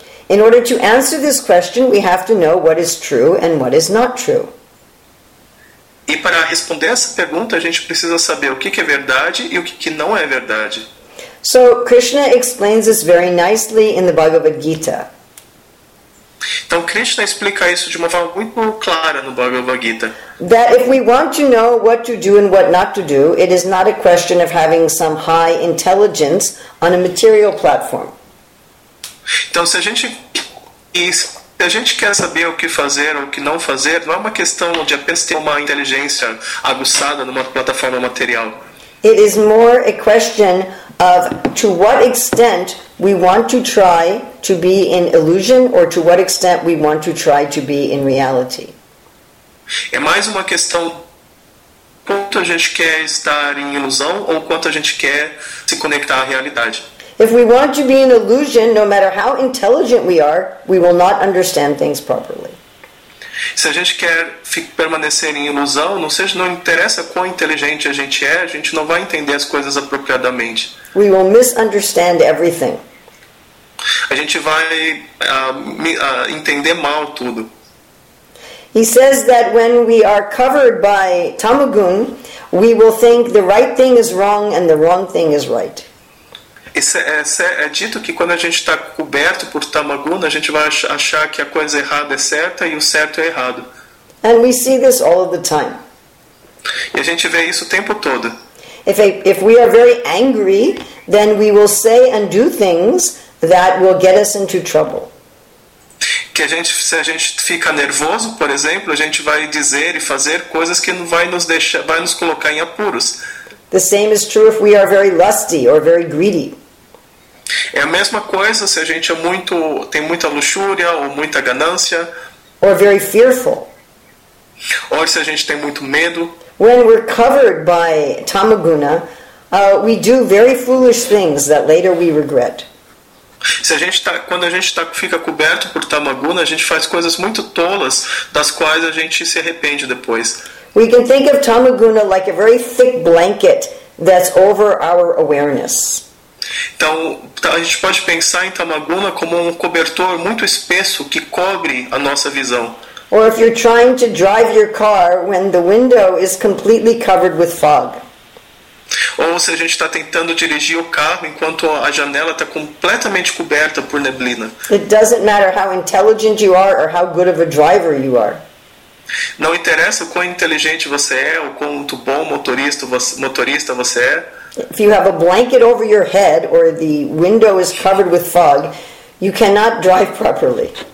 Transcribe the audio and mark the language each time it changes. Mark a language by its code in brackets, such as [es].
[en] In order to answer this question, we have to know what is true and what is not true. [pt] E para responder essa pergunta, a gente precisa saber o que é verdade e o que não é verdade. [en] So, Krishna explains this very nicely in the Bhagavad Gita. [pt] Então Krishna explica isso de uma forma muito clara no Bhagavad Gita. [en] That if we want to know what to do and what not to do, it is not a question of having some high intelligence on a material platform. [pt] Então se a gente a gente quer saber o que fazer ou o que não fazer, não é uma questão de apenas ter uma inteligência aguçada numa plataforma material. [en] It is more a question of to what extent we want to try to be in illusion or to what extent we want to try to be in reality. [pt] É mais uma questão quanto a gente quer estar em ilusão ou quanto a gente quer se conectar à realidade. [en] If we want to be in illusion, no matter how intelligent we are, we will not understand things properly. [pt] Se a gente quer permanecer em ilusão, não seja, não interessa quão inteligente a gente não vai entender as coisas apropriadamente. [en] We will misunderstand everything. [pt] A gente vai entender mal tudo. [en] He says that when we are covered by tamagun, we will think the right thing is wrong and the wrong thing is right. [pt] É dito que quando a gente está coberto por tamaguna, a gente vai achar que a coisa errada é certa e o certo é errado. [en] And we see this all of the time. [pt] E a gente vê isso o tempo todo. [en] If we are very angry, then we will say and do things that will get us into trouble. [pt] Que a gente, se a gente fica nervoso, por exemplo, a gente vai dizer e fazer coisas que vai nos colocar em apuros. [en] The same is true if we are very lusty or very greedy. [pt] É a mesma coisa se a gente é muito, tem muita luxúria ou muita ganância. [en] Or very fearful. [pt] Ou se a gente tem muito medo. [en] When we're covered by tamaguna, we do very foolish things that later we regret. [pt] Se a gente fica coberto por tamaguna, a gente faz coisas muito tolas das quais a gente se arrepende depois. [en] We can think of tamaguna like a very thick blanket that's over our awareness. [pt] Então, a gente pode pensar em tamaguna como um cobertor muito espesso que cobre a nossa visão. [en] Or if you're trying to drive your car when the window is completely covered with fog. [pt] Ou se a gente está tentando dirigir o carro enquanto a janela está completamente coberta por neblina. [en] It doesn't matter how intelligent you are or how good of a driver you are. [pt] Não interessa o quão inteligente você é ou quanto bom motorista você é. [en] If you have a blanket over your head or the window is covered with fog, you cannot drive properly.